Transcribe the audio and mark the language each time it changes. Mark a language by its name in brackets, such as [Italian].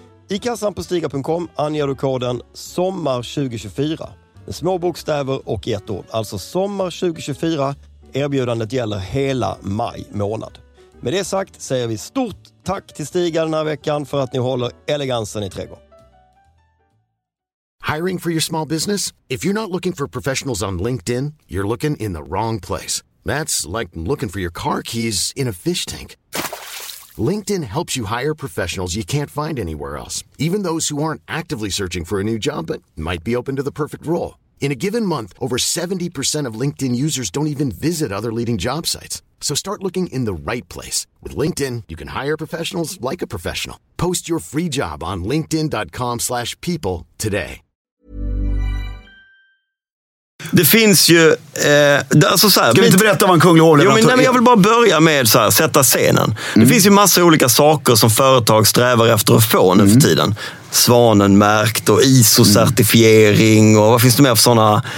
[Swedish] I kassan på stiga.com anger du koden SOMMAR2024 med små bokstäver och ett ord. Alltså SOMMAR2024. Erbjudandet gäller hela maj månad. Med det sagt säger vi stort tack till Stiga den här veckan för att ni håller elegansen i trädgården. [English] Hiring for your small business? If you're not looking for professionals on LinkedIn, you're looking in the wrong place. That's like looking for your car keys in a fish tank. LinkedIn helps you hire professionals you can't find anywhere else, even those who aren't actively searching for a new job but might be open to the perfect role. In a given month, over 70% of LinkedIn users don't even visit other leading job sites. So start looking in the right place. With LinkedIn, you can hire professionals like a professional. Post your free job on linkedin.com/people today. [Swedish] Det finns ju alltså så här, ska vi inte berätta vad en kunglig hovleverantör? Jo, men, nej, men jag vill bara börja med så här, sätta scenen. Mm. Det finns ju massa olika saker som företag strävar efter att få nu för tiden. Svanenmärkt och ISO-certifiering och vad finns det mer för sådana?